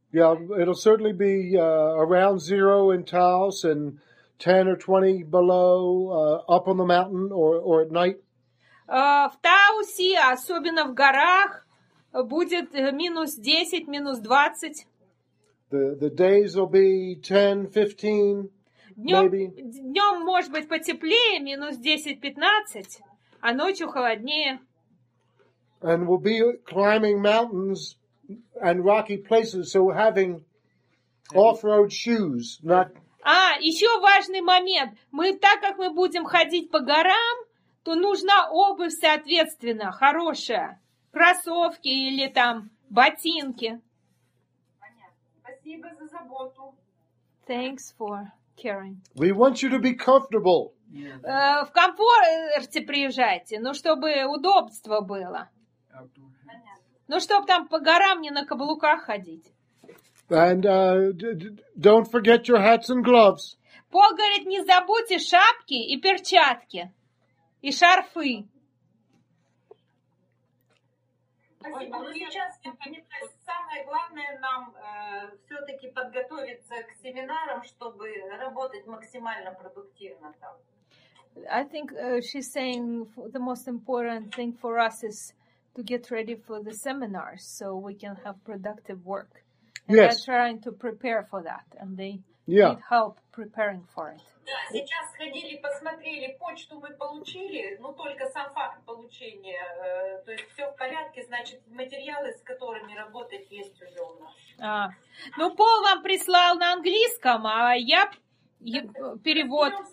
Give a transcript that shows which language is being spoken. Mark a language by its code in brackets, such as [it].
[en] Yeah, it'll certainly be around zero in Taos and 10 or 20 below up on the mountain or at night. [ru] В Таусе, особенно в горах, будет минус 10, минус 20. [en] The days will be 10, 15, maybe. [ru] Днем может быть потеплее, минус 10, 15. А ночью холоднее. [en] And we'll be climbing mountains and rocky places, so we're having off-road shoes, not... [ru] А, еще важный момент. Мы, так как мы будем ходить по горам, то нужна обувь, соответственно, хорошая. Кроссовки или там ботинки. Понятно. Спасибо за заботу. [en] Thanks for caring. We want you to be comfortable. [ru] В комфорте приезжайте, но чтобы удобство было. Ну, чтобы там по горам не на каблуках ходить. [en] And don't forget your hats and gloves. [ru] Пол говорит, не забудьте шапки и перчатки, и шарфы. Спасибо. Ну, сейчас, мне кажется, самое главное нам все-таки подготовиться к семинарам, чтобы работать максимально продуктивно там. [en] I think she's saying the most important thing for us is to get ready for the seminars so we can have productive work. And yes. They're trying to prepare for that, and they need help preparing for it. [ru] Да, сейчас ходили, посмотрели, почту мы получили, ну, только сам факт получения, то есть все в порядке, значит, материалы, с которыми работать, есть уже у нас. Ну, Пол вам прислал на английском, а я перевод...